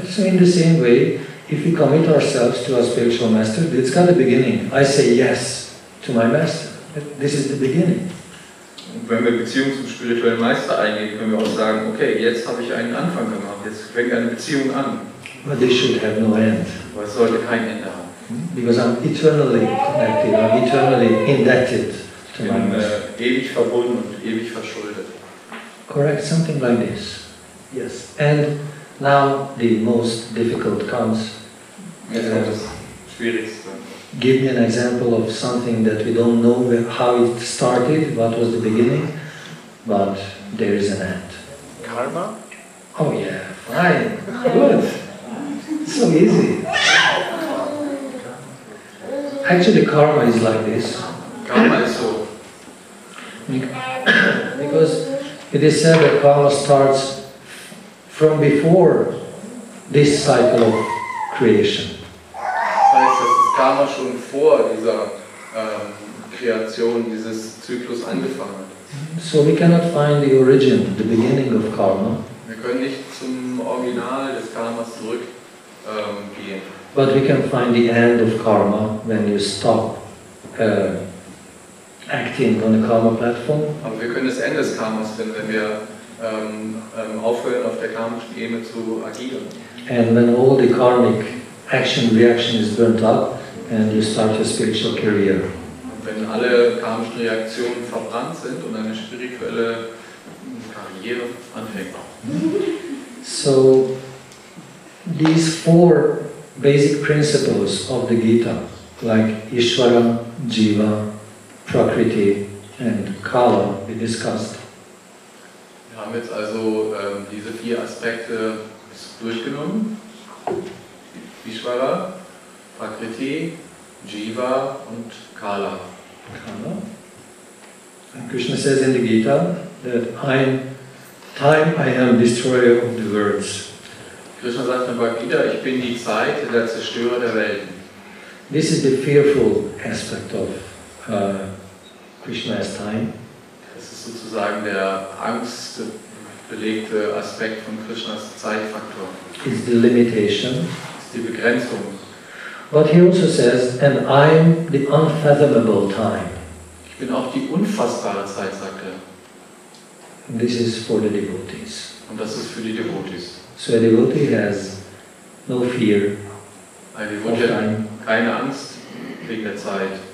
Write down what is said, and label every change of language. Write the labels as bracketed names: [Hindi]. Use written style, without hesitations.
[English] So in the same way, if we commit ourselves to a spiritual master, it's got a beginning. I say yes to my master. This is the beginning. [German] Und wenn wir Beziehung zum spirituellen Meister eingehen, können wir auch sagen, okay, jetzt habe ich einen Anfang gemacht. Jetzt fängt eine Beziehung an. [English] But this should have no end. [German] Aber es sollte kein Ende haben. [English] Because I'm eternally connected, I'm eternally indebted to my master. [German] Ewig verbunden und ewig verschuldet. [English] Correct, something like this. Yes. And now the most difficult comes. [German] Jetzt kommt das Schwierigste. [English] Give me an example of something that we don't know how it started, what was the beginning, but there is an end. Karma? Oh yeah, fine, good. So easy. Actually, karma is like this. Karma is so. Because it is said that karma starts from before this cycle of creation. [German] Heißt, dass das Karma schon vor dieser Kreation, dieses Zyklus angefangen hat. [English] So we cannot find the origin, the beginning of karma. [German] Wir können nicht zum Original des Karmas zurück gehen. [English] But we can find the end of karma when you stop acting on the karma platform. [German] Aber wir können das Ende des Karmas finden, wenn wir aufhören, auf der karmischen Ebene zu agieren. [English] And when all the karmic action reaction is burnt up and you start your spiritual career. [German] Und wenn alle karmischen Reaktionen verbrannt sind und eine spirituelle Karriere anfängt. [English] So these four basic principles of the Gita, like Ishvara, Jiva, Prakriti, and Kala, we discussed. [German] Wir haben jetzt also diese vier Aspekte durchgenommen. Ishvara, Prakriti, Jiva, und Kala. Kala. [English] And Krishna says in the Gita that I am destroyer of the worlds. [German] Krishna sagt in Bhagavad Gita, ich bin die Zeit, der Zerstörer der Welten. [English] This is the fearful aspect of Krishna's time. [German] Das ist sozusagen der angstbelegte Aspekt von Krishnas Zeitfaktor. [English] It's the limitation. [German] Ist die Begrenzung. [English] But he also says, and I'm the unfathomable time. [German] Ich bin auch die unfassbare Zeit, sagt er. [English] And this is for the devotees. [German] Und das ist für die Devotees. [English] So a devotee has no fear. [German] Ein Devotee hat keine Angst wegen der Zeit.